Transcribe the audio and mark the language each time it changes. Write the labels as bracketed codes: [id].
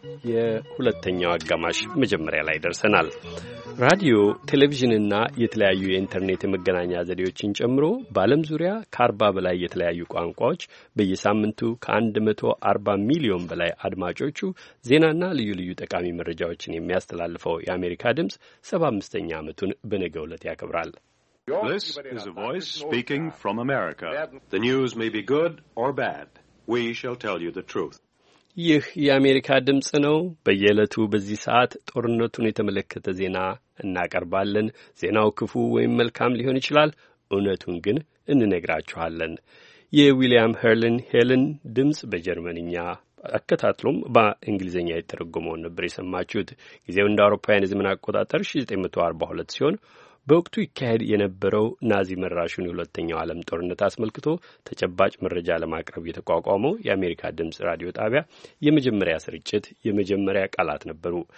[am] የሁለተኛው አጋማሽ መጀመሪያ ላይ ደርሰናል። ራዲዮ፣ ቴሌቪዥንና የተለያዩ የኢንተርኔት መገናኛ ዘዴዎችን ጨምሮ በዓለም ዙሪያ ከ40 በላይ የተለያዩ ቋንቋዎች በየሳምንቱ ከ140 ሚሊዮን በላይ አድማጮቹ ዜናና ልዩ ልዩ ጠቃሚ መረጃዎችን የሚያስተላልፈው የአሜሪካ ድምፅ 75ኛ ዓመቱን በነገው ዕለት ያከብራል። [en] This is a voice speaking from America. The news may be good or bad. We shall tell you the truth. [am] ይህ የአሜሪካ ድምፅ ነው። በየዕለቱ በዚህ ሰዓት ጦርነቱን የተመለከተ ዜና እናቀርባለን። ዜናው ክፉ ወይም መልካም ሊሆን ይችላል። እውነቱን ግን እንነግራችኋለን። የዊልያም ሄርልን ሄልን ድምፅ በጀርመንኛ አከታትሎም በእንግሊዝኛ የተረጎመውን ነበር የሰማችሁት። ጊዜው እንደ አውሮፓውያን የዘመን አቆጣጠር 1942 ሲሆን በወቅቱ ይካሄድ የነበረው ናዚ መራሹን የሁለተኛው ዓለም ጦርነት አስመልክቶ ተጨባጭ መረጃ ለማቅረብ የተቋቋመው የአሜሪካ ድምፅ ራዲዮ ጣቢያ የመጀመሪያ ስርጭት የመጀመሪያ ቃላት ነበሩ።